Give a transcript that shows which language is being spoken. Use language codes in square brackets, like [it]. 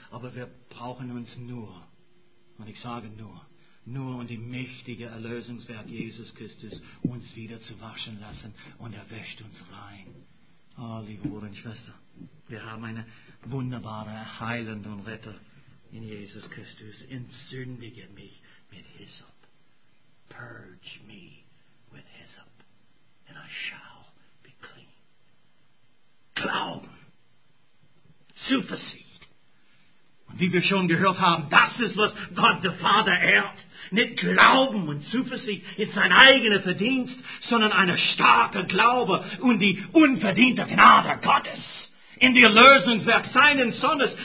[de] Aber wir brauchen uns nur, und ich sage nur um die mächtige Erlösungswerk Jesus Christus uns wieder zu waschen lassen, und er wäscht uns rein. Oh, liebe Bruder und Schwester, wir haben eine wunderbare Heilende und Retter in Jesus Christus. Entsündige mich mit Hyssop. [en] Purge me with Hyssop, and I shall be clean. [de] Glauben. Zuversicht. Und wie wir schon gehört haben, das ist, was Gott der Vater ehrt. Nicht Glauben und Zuversicht in sein eigener Verdienst, sondern eine starke Glaube und die unverdiente Gnade Gottes in die Erlösungswerk seines Sohnes.